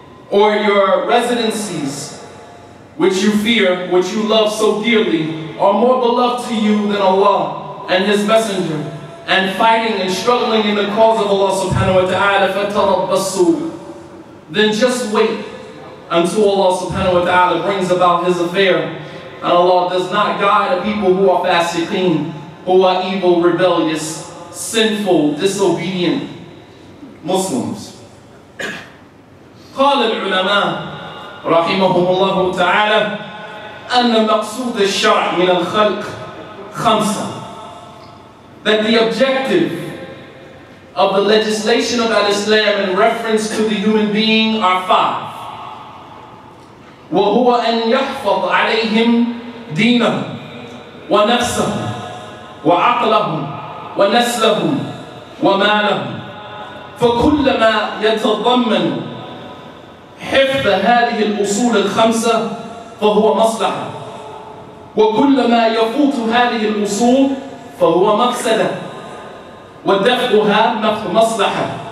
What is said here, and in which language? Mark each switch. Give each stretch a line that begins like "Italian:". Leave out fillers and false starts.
English: or your residencies which you fear, which you love so dearly are more beloved to you than Allah and His Messenger and fighting and struggling in the cause of Allah subhanahu wa ta'ala, فَتَرَبَّصُوا, then just wait until Allah subhanahu wa ta'ala brings about His affair. And Allah does not guide a people who are fasiqeen, who are evil, rebellious, sinful, disobedient Muslims.
Arabic: قال العلماء رحمهم الله تعالى أن مقصود الشرع من الخلق خمسة.
English: That the objective of the legislation of Al-Islam in reference to the human being are five.
Arabic: وَهُوَ أَنْ يَحْفَظْ عَلَيْهِمْ دِينَهُمْ وَنَفْسَهُمْ وَعَقْلَهُمْ وَنَسْلَهُمْ وَمَالَهُمْ فَكُلَّمَا يَتَضَمَّنُ حِفْظَ هَذِهِ الْأُصُولِ الْخَمْسَةِ فَهُوَ مَصْلَحَةٌ وَكُلَّمَا يَفُوتُ هَذِهِ الْأُصُولِ فهو مفسدة ودفعها مصلحة.